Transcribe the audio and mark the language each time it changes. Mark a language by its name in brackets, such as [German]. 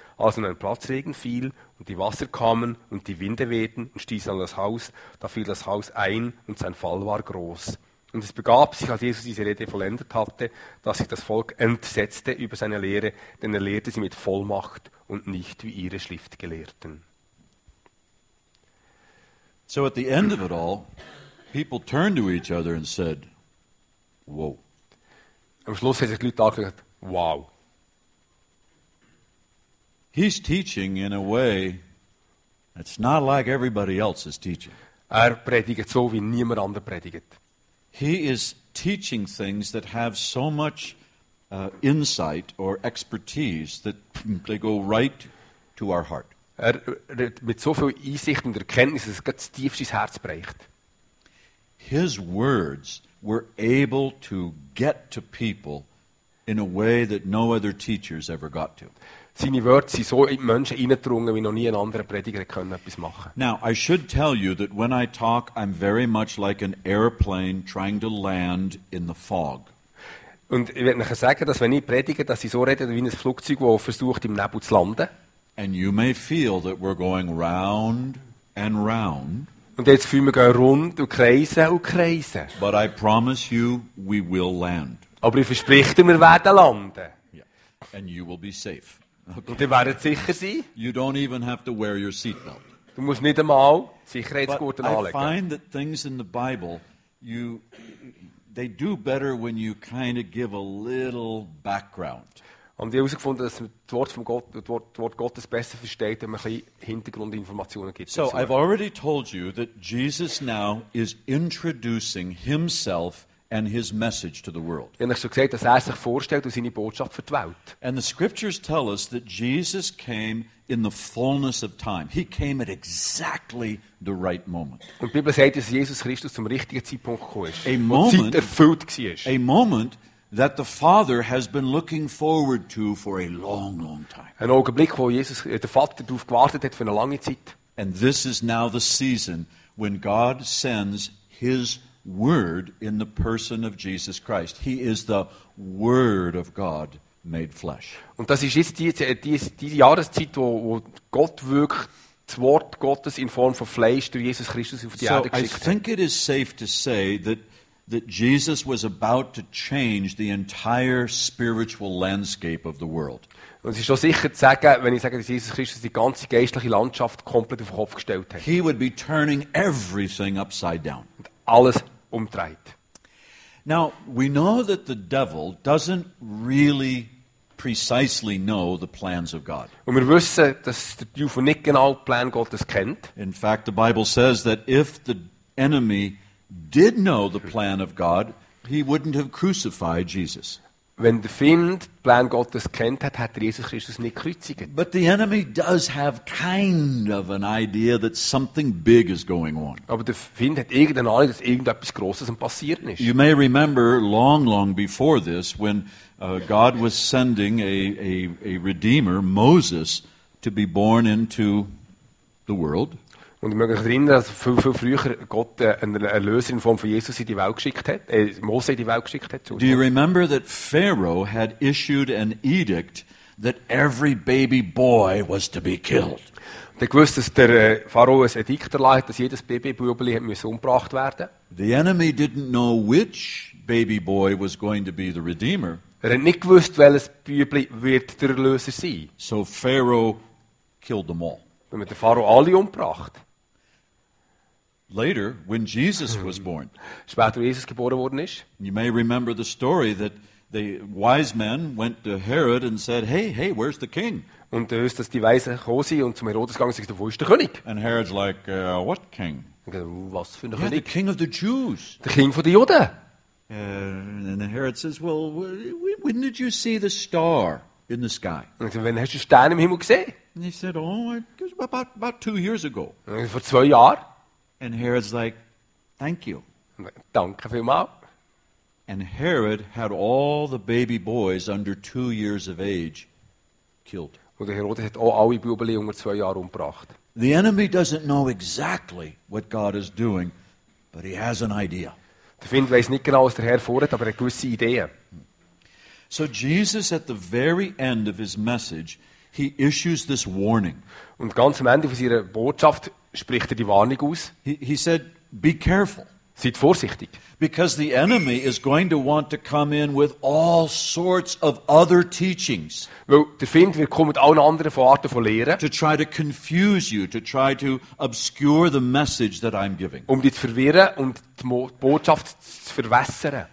[German] Als nun ein Platzregen fiel und die Wasser kamen und die Winde wehten und stießen an das Haus, da fiel das Haus ein und sein Fall war groß. Und es begab sich, als Jesus diese Rede vollendet hatte, dass sich das Volk entsetzte über seine Lehre, denn er lehrte sie mit Vollmacht und nicht wie ihre Schriftgelehrten. [English] So at the end of it all, people turned to each other and said, whoa. [German] Am Schluss haben sich die Leute angeschaut, wow. [English] He's teaching in a way that's not like everybody else is teaching. [German] Er predigt so, wie niemand anderer predigt. [English] He is teaching things that have so much insight or expertise that they go right to our heart. [German] Er redet mit so viel Einsicht und Erkenntnis, dass es ganz tief sein Herz bricht. [English] His words were able to get to people in a way that no other teachers ever got to. [German] Seine Worte sind so in die Menschen eingedrungen, wie noch nie ein anderer Prediger können etwas machen. [English] Now, I should tell you that when I talk, I'm very much like an airplane trying to land in the fog. [German] Und ich werde euch sagen, dass wenn ich predige, dass ich so rede wie ein Flugzeug, das versucht, im Nebel zu landen. [English] And you may feel that we're going round and round. [German] Und jetzt fühlen wir gehen rund und kreisen und kreisen. [English] But I promise you, we will land. [German] Aber ich verspreche dir, wir werden landen. [English] Yeah. And you will be safe. Okay. [German] Und ihr werdet sicher sein. [English] You don't even have to wear your seatbelt. [German] Du musst nicht einmal Sicherheitsgurte anlegen. [English] But I find that things in the Bible, they do better when you kind of give a little background. [German] Und ich habe herausgefunden, dass man das Wort Gottes besser versteht, wenn man ein bisschen Hintergrundinformationen gibt. [English] So, I've already told you that Jesus now is introducing himself and his message to the world. [German] Ich habe schon gesagt, dass er sich vorstellt und seine Botschaft für die Welt. [English] And the scriptures tell us that Jesus came in the fullness of time. He came at exactly the right moment. [German] Und die Bibel sagt, dass Jesus Christus zum richtigen Zeitpunkt gekommen ist. [English] A moment, [German] die Zeit erfüllt gsi ist. [English] A moment that the Father has been looking forward to for a long, long time. [German] Ein Augenblick, wo Jesus, der Vater darauf gewartet hat für eine lange Zeit. [English] And this is now the season when God sends his word in the person of Jesus Christ. He is the word of God made flesh. [German] Und das ist jetzt die Jahreszeit, wo Gott wirklich das Wort Gottes in Form von Fleisch durch Jesus Christus auf die Erde geschickt hat. [English] So I think it is safe to say that Jesus was about to change the entire spiritual landscape of the world. [German] Und es ist schon sicher zu sagen, wenn ich sage, dass Jesus Christus die ganze geistliche Landschaft komplett auf den Kopf gestellt hat. [English] He would be turning everything upside down. [German] Und alles umdreht. [English] Now, we know that the devil doesn't really precisely know the plans of God. [German] Und wir wissen, dass der Teufel nicht genau den Plan Gottes kennt. [English] In fact, the Bible says that if the enemy did know the plan of God, he wouldn't have crucified Jesus. [German] Wenn der Feind den Plan Gottes kennt hat, hat er Jesus Christus nicht kreuzigt. [English] But the enemy does have kind of an idea that something big is going on. [German] Aber der Feind hat irgendeine Ahnung, dass irgendetwas Großes passiert ist. [English] You may remember long, long before this, when God was sending a Redeemer, Moses, to be born into the world. [German] Und ich möchte mich erinnern, dass viel, viel früher Gott einen Erlöser in Form von Jesus in die Welt geschickt hat, Mose in die Welt geschickt hat. [English] Do you remember that Pharaoh had issued an edict that every baby boy was to be killed? [German] Und ich wusste, dass der Pharao ein Edikt erlassen hat, dass jedes Babybubli umgebracht werden musste. [English] The enemy didn't know which baby boy was going to be the Redeemer. [German] Er hat nicht gewusst, welches Bubli wird der Erlöser sein. [English] So Pharaoh killed them all. [German] Wenn man den Pharao alle umbracht. [English] Later, when Jesus was born. [German] Später, Jesus geboren worden ist. [English] You may remember the story that the wise men went to Herod and said, hey, where's the king? [German] Und du hörst, dass die Weisen gekommen sind und zum Herodes gegangen sind, wo ist der König? [English] And Herod's like, what king? [German] Was für ein yeah, König? [English] The king of the Jews. [German] Der King von den Juden. [English] And Herod says, well, when did you see the star in the sky? [German] Und wann hast du den Stern im Himmel gesehen? [English] And he said, oh, it was about 2 years ago. [German] Vor 2 Jahren. [English] And Herod's like, thank you. [German] Danke vielmals. [English] And Herod had all the baby boys under 2 years of age killed. [German] Und Herodes hat auch alle Bubeli unter 2 Jahren umgebracht. [English] The enemy doesn't know exactly what God is doing, but he has an idea. [German] Der Feind weiß nicht genau, was der Herr vorhat, aber er hat gewisse Ideen. [English] So Jesus, at the very end of his message, he issues this warning. [German] Und ganz am Ende von seiner Botschaft spricht er die Warnung aus. [English] He said, be careful. [German] Seid vorsichtig. [English] Because the enemy is going to want to come in with all sorts of other teachings. [German] Weil der Feind wird kommen mit allen anderen Arten von Lehren. [English] To try to confuse you, to try to obscure the message that I'm giving. [German] Um dich zu verwirren und die Botschaft zu verwässern.